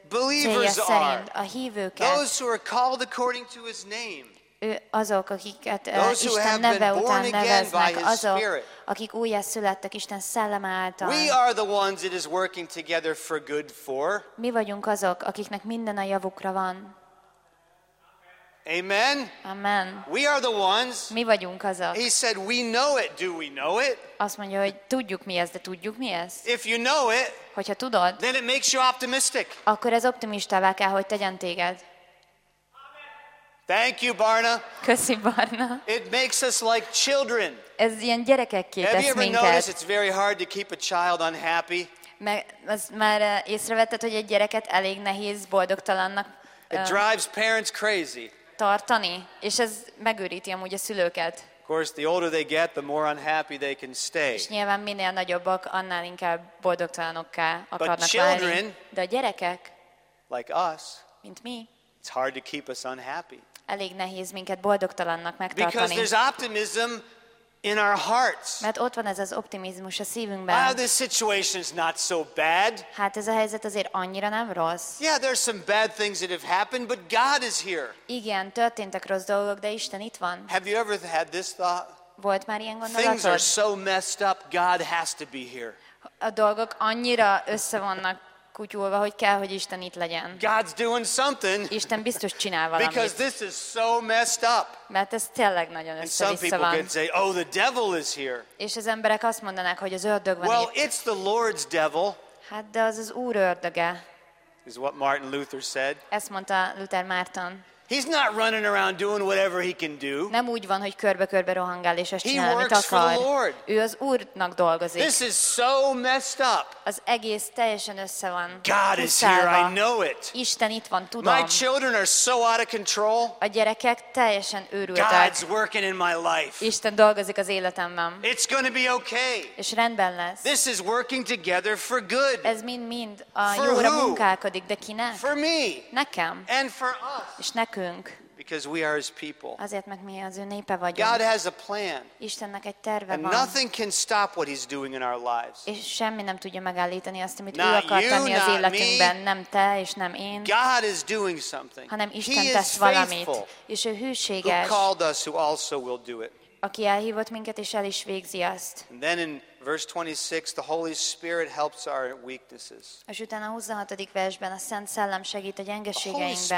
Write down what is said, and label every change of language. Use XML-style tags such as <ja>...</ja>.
<hu>célja szerint? A hívőket.</hu> <en>Those who are called according to his name.</en> <hu>Azok, akiket Isten neve után neveznek, azok, akik újjászülettek Isten szelleme által.</hu> <en>We are the ones it is working together for good for.</en> <hu>Mi vagyunk azok, akiknek minden a javukra van.</hu> <en>Amen.</en> <hu>Amen.</hu> <en>We are the ones.</en> <hu>Mi vagyunk azok.</hu> <en>He said, we know it. Do we know it?</en> <hu>Azt mondja, hogy tudjuk mi ez, de tudjuk mi ez.</hu> <en>If you know it,</en> <hu>hogyha tudod,</hu> <en>then it makes you optimistic.</en> <hu>Akkor ez optimistává kell, hogy tegyen téged.</hu> <en>Thank you, Barna.</en> <hu>Köszi, Barna.</hu> <en>It makes us like children.</en> <hu>Ez ilyen gyerekekké tesz minket.</hu> <en>Have you ever noticed it's very hard to keep a child unhappy?</en> <hu>Már észrevetted, hogy egy gyereket elég nehéz boldogtalannak</hu> <en>It drives parents crazy.</en> <hu>Tartani, és ez megőríti amúgy a szülőket.</hu> <en>Of course, the older they get, the more unhappy they can stay.</en> <hu>És nyilván minél nagyobbak, annál inkább boldogtalanokká akarnak</hu> <en>But children,</en> <hu>válni. De a gyerekek,</hu> <en>like us,</en> <hu>mint mi,</hu> <en>it's hard to keep us unhappy.</en> <hu>Elég nehéz minket boldogtalannak megtartani.</hu> <en>Because there's optimism in our hearts.</en> <hu>Mert ott van ez az optimizmus a szívünkben.</hu> <en>Ah, this situation is not so bad.</en> <hu>Hát ez a helyzet azért annyira nem rossz.</hu> <en>Yeah, there's some bad things that have happened, but God is here.</en> <hu>Igen, történtek rossz dolgok, de Isten itt van.</hu> <en>Have you ever had this thought?</en> <hu>Volt már ilyen gondolatod?</hu> <en>Things are so messed up, God has to be here.</en> <hu>A dolgok annyira összevannak. Kutyulva, hogy kell, hogy Isten itt legyen.</hu> <en>God's doing something.</en> <hu>Isten biztos csinál valamit.</hu> <en>Because this is so messed up.</en> <hu>Mert ez tényleg nagyon össze-vissza van.</hu> <en>And some people could say, oh, the devil is here.</en> <hu>És az emberek azt mondanák, hogy az ördög van</hu> <en>well,</en> <hu>itt.</hu> <en>Well, it's the Lord's devil.</en> <hu>Hát de az Úr ördöge.</hu> <en>Is what Martin Luther said.</en> <hu>Ezt mondta Luther Márton.</hu> <en>He's not running around doing whatever he can do.</en> <hu>Nem úgy van, hogy körbe-körbe rohangál és azt csinál, amit akar. Ő az Úrnak dolgozik.</hu> <en>This is so messed up.</en> <hu>Az egész teljesen össze van.</hu> <en>God is here, I know it.</en> <hu>Isten itt van, tudom.</hu> <en>My children are so out of control.</en> <hu>A gyerekek teljesen őrültek.</hu> <en>God's working in my life.</en> <hu>Isten dolgozik az életemben.</hu> <en>It's going to be okay.</en> <hu>És rendben lesz.</hu> <en>This is working together for good.</en> <hu>Ez mind a jóra munkálkodik, de kinek?</hu> <en>For me.</en> <hu>Nekem.</hu> <en>And for us.</en> <hu>És nekem.</hu> <en>Because we are his people.</en> <hu>Azért, mert mi az ő népe vagyunk.</hu> <en>God has a plan.</en> <hu>Istennek egy terve van.</hu> <en>And nothing can stop what he's doing in our lives.</en> <hu>És semmi nem tudja megállítani azt, amit</hu> <en>not</en> <hu>ő akar</hu> <en>you,</en> <hu>tenni az életünkben.</hu> <en>Me.</en> <hu>Nem te, és nem én.</hu> <en>God is doing something.</en> <hu>Hanem Isten</hu> <en>he</en> <hu>tesz</hu> <en>is</en> <hu>valamit.</hu> <en>Faithful,</en> <hu>és ő hűséges.</hu> <en>Who called us, who also will do it.</en> <hu>Aki elhívott minket, és el is végzi azt.</hu> <en>And then in verse 26, the Holy Spirit helps our weaknesses.</en> <hu>És utána a 26. versben a Szent Szellem segít a gyengeségeinkben.</hu>